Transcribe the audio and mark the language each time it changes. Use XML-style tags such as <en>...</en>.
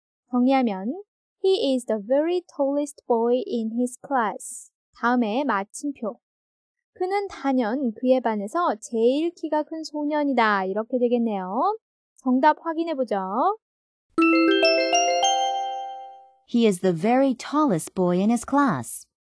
<ko>정리하면</ko> <en>he is the very tallest boy in his class.</en> <ko>다음에 마침표 그는 단연 그의 반에서 제일 키가 큰 소년이다 이렇게 되겠네요. 정답 확인해 보죠.</ko> <en>He is the very tallest boy in his class.</en>